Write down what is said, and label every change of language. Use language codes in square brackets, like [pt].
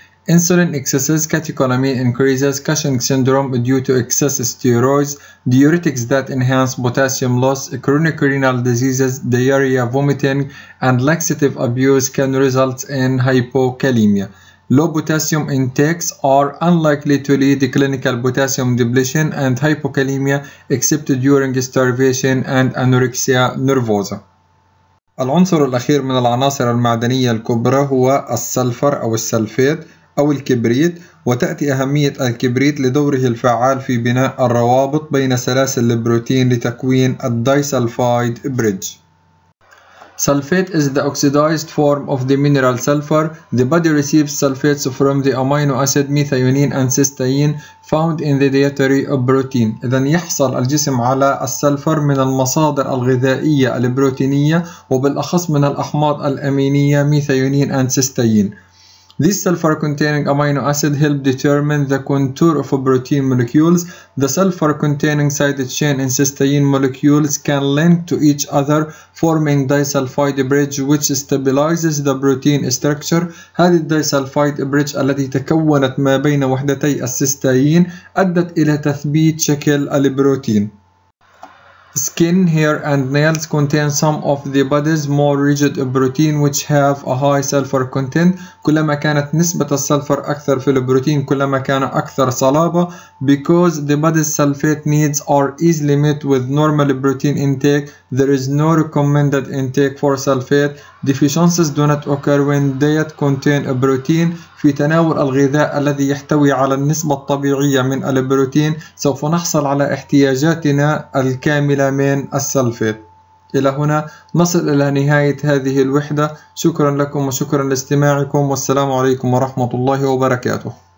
[en] Insulin excesses, catecholamine increases, Cushing syndrome due to excess steroids, diuretics that enhance potassium loss, chronic renal diseases, diarrhea, vomiting, and laxative abuse can result in hypokalemia. Low potassium intakes are unlikely to lead clinical potassium depletion and hypokalemia except during starvation and anorexia nervosa. [ar] العنصر الأخير من العناصر المعدنية الكبرى هو السلفر أو السلفيت أو الكبريت، وتأتي أهمية الكبريت لدوره الفعال في بناء الروابط بين سلاسل البروتين لتكوين الدايسلفايد بريدج. [en] Sulfate is the oxidized form of the mineral sulfur. The body receives sulfates from the amino acid methionine and cysteine found in the dietary protein. [ar] إذن يحصل الجسم على السلفر من المصادر الغذائية البروتينية وبالأخص من الأحماض الأمينية [en] methionine and cysteine. This sulfur containing amino acid help determine the contour of protein molecules. The sulfur containing side chain in cysteine molecules can link to each other forming disulfide bridge which stabilizes the protein structure. [ar] هذه الدايسلفايد بريدج التي تكونت ما بين وحدتي السيستين أدت إلى تثبيت شكل البروتين. [en] Skin, hair and nails contain some of the body's more rigid protein which have a high sulfur content. [ar] كلما كانت نسبة السلفر أكثر في البروتين كلما كان أكثر صلابة. [en] Because the body's sulfate needs are easily met with normal protein intake, there is no recommended intake for sulfate. Deficiencies do not occur when diet contain a protein. [ar] في تناول الغذاء الذي يحتوي على النسبة الطبيعية من البروتين سوف نحصل على احتياجاتنا الكاملة من السلفيت. إلى هنا نصل إلى نهاية هذه الوحدة. شكرا لكم وشكرا لاستماعكم، والسلام عليكم ورحمة الله وبركاته.